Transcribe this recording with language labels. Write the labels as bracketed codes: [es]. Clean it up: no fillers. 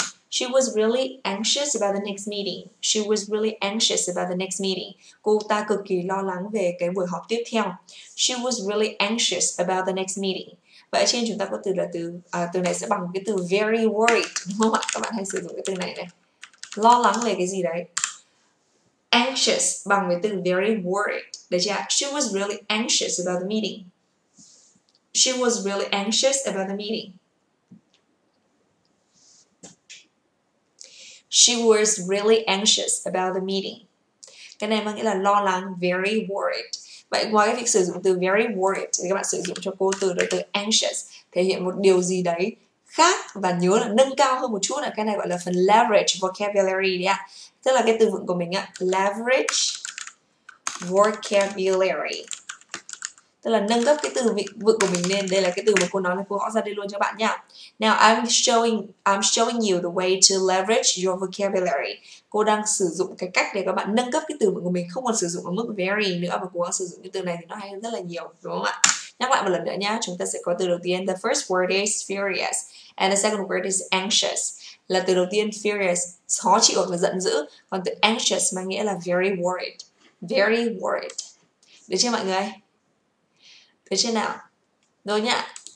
[en] She was really anxious about the next meeting. She was really anxious about the next meeting. [vi] Cô ta cực kỳ lo lắng về cái buổi họp tiếp theo. [en] She was really anxious about the next meeting. [vi] Vậy trên chúng ta có từ này sẽ bằng cái từ very worried. Đúng không ạ? Các bạn hãy sử dụng cái từ này này. Lo lắng về cái gì đấy? Anxious bằng với từ very worried. Được chưa? [en] She was really anxious about the meeting. She was really anxious about the meeting. She was really anxious about the meeting. [vi] Cái này mang nghĩa là lo lắng, very worried. Vậy ngoài cái việc sử dụng từ very worried, thì các bạn sử dụng cho cô từ anxious, thể hiện một điều gì đấy khác và nhớ là nâng cao hơn một chút. Cái này gọi là phần leverage vocabulary. Yeah. Tức là cái từ vựng của mình, leverage vocabulary. Tức là nâng cấp cái từ vựng của mình lên. Đây là cái từ mà cô nói là cô gõ ra đây luôn cho bạn nhá. [en] Now I'm showing you the way to leverage your vocabulary. [vi] Cô đang sử dụng cái cách để các bạn nâng cấp cái từ vựng của mình, không còn sử dụng ở mức very nữa mà cô gắng sử dụng cái từ này thì nó hay hơn rất là nhiều, đúng không ạ? Nhắc lại một lần nữa nhá. Chúng ta sẽ có từ đầu tiên, [en] the first word is furious and the second word is anxious. [vi] Là từ đầu tiên furious, khó chịu hoặc là giận dữ, còn từ anxious mang nghĩa là very worried, very worried. Được chưa mọi người? Được chưa nào? Rồi nhá.